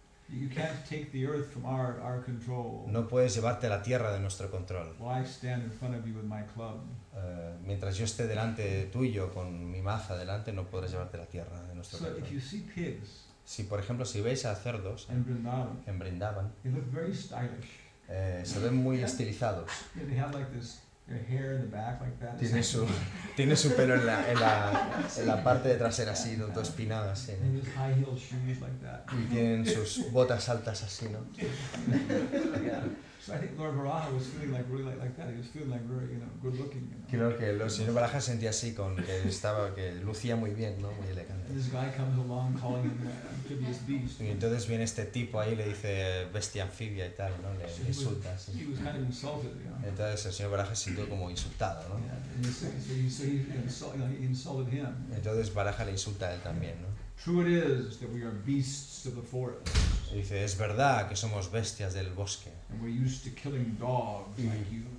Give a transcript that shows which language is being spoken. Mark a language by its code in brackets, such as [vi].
[en] You can't take the earth from our control. [es] No puedes llevarte la tierra de nuestro control. [en] Why stand in front of you with my club? [es] Mientras yo esté delante tuyo con mi maza delante, no podrás llevarte la tierra de nuestro control. [en] So if you see pigs, [es] si por ejemplo si veis a cerdos en Brindavan, [en] they look very stylish. [es] Se ven muy estilizados. [en] Yeah, they have like this. Your hair in the back like that. [es] Tiene su pelo en la parte de trasera así, no, todo espinado así. [en] And his high heel shoes like that. [es] Y tienen sus botas altas así, ¿no? [en] Yeah. So I think Lord Varaha was feeling like really like that. He was feeling like very, you know, good looking. You know? [es] Creo que el señor Varaha sentía así con que estaba que lucía muy bien, ¿no? Muy elegante. [en] And this guy comes along calling him amphibious beast. [es] Y entonces viene este tipo ahí y le dice bestia anfibia y tal, ¿no? Le insulta así. [en] He was kind of insulted, you know? [es] Entonces el señor Varaha se sintió como insultado, ¿no? Entonces Varaha le insulta a él también, ¿no? [en] True it is that we are beasts of the forest. [es] Dice, es verdad que somos bestias del bosque. [en] And we're used to killing dogs like you.